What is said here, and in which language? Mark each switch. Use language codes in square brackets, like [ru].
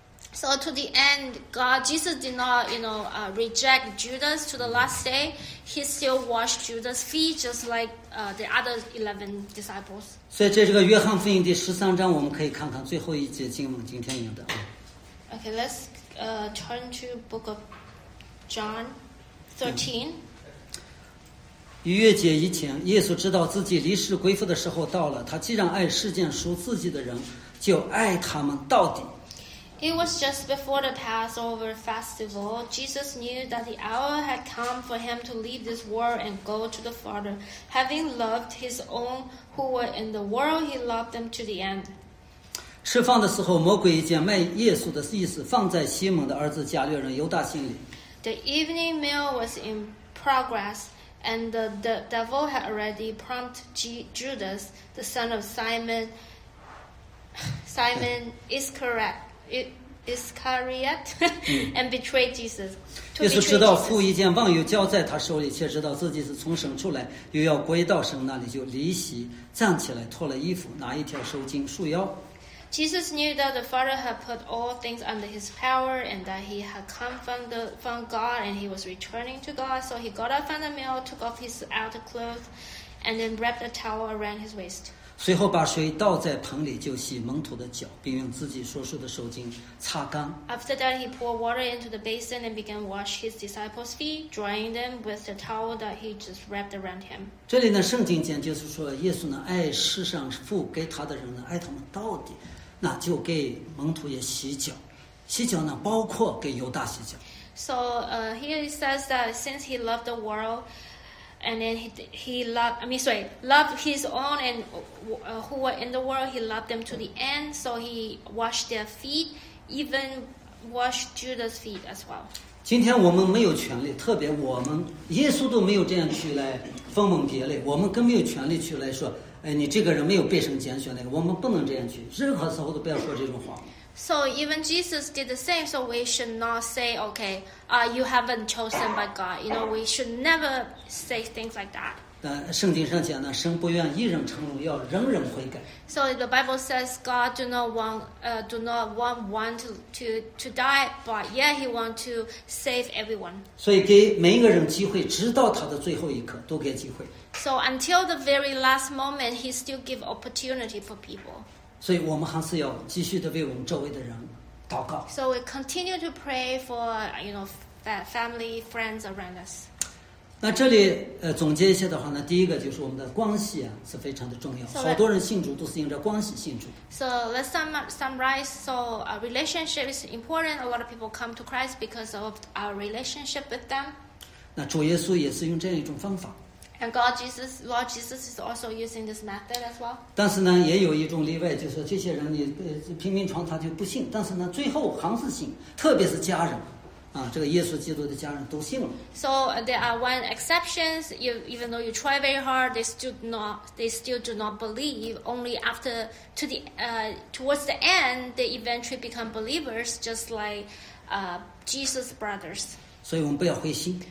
[en] So to the end, God Jesus did not, you know, reject Judas to the last day. He still washed Judas' feet, just like the other 11 disciples. [zh] 所以，在这个约翰福音第十三章，我们可以看看最后一节经文，今天用的。 [en] Okay, let's turn to Book of John 13. [zh] 逾越节以前，耶稣知道自己离世归父的时候到了。他既然爱世间属自己的人，就爱他们到底。 [en] It was just before the Passover festival. Jesus knew that the hour had come for him to leave this world and go to the Father. Having loved his own who were in the world, he loved them to the end. [zh] 释放的时候，魔鬼已将卖耶稣的意思放在西蒙的儿子加略人犹大心里。 [en] The evening meal was in progress, and the devil had already prompted Judas, the son of Simon Iscariot. Iscariot and betrayed Jesus. [zh] 耶稣知道父已将万有交在他手里，却知道自己是从神出来，又要归到神那里，就离席，站起来，脱了衣服，拿一条绳巾束腰。 [en] Jesus knew that the Father had put all things under his power, and that he had come from God, and he was returning to God. So he got up from the meal, took off his outer clothes, and then wrapped a towel around his waist. [zh] 随后把水倒在盆里，就洗蒙徒的脚，并用自己所收的手巾擦干。 [en] After that, he poured water into the basin and began to wash his disciples' feet, drying them with the towel that he just wrapped around him. [zh] 这里呢，圣经讲就是说，耶稣呢爱世上父给他的人呢，爱他们到底，那就给蒙徒也洗脚。洗脚呢，包括给犹大洗脚。 [en] So, here it says that since he loved the world. And then he loved his own and who were in the world. He loved them to the end. So he washed their feet, even washed Judas' feet as well. [zh] 今天我们没有权利，特别我们耶稣都没有这样去来分门别类。我们更没有权利去来说，哎，你这个人没有被神拣选那个。我们不能这样去，任何时候都不要说这种话。 [en] So even Jesus did the same. So we should not say, "Okay, you haven't chosen by God." You know, we should never say things like that. [zh] 圣经上讲呢，神不愿一人沉沦，要人人悔改。 [en] So the Bible says God do not want one to die, but yeah, He want to save everyone. [zh] 所以给每一个人机会，直到他的最后一刻都给机会。 [en] So until the very last moment, He still give opportunity for people. [zh] 所以我们还是要继续的为我们周围的人祷告。 [en] So we continue to pray for, you know, family, friends around us. [zh] 那这里总结一下的话呢，第一个就是我们的关系啊是非常的重要。好多人信主都是因着关系信主。 [en] So let's summarize. So our relationship is important. A lot of people come to Christ because of our relationship with them. [zh] 那主耶稣也是用这样一种方法。 [en] And God Jesus, Lord Jesus is also using this method as well. [zh] 但是呢，也有一种例外，就是这些人你拼命传他就不信，但是呢，最后还是信，特别是家人，啊，这个耶稣基督的家人都信了。 [en] So there are one exceptions. Even though you try very hard, they still do not believe. Only after towards the end, they eventually become believers, just like Jesus' brothers. [zh] 所以我们不要灰心。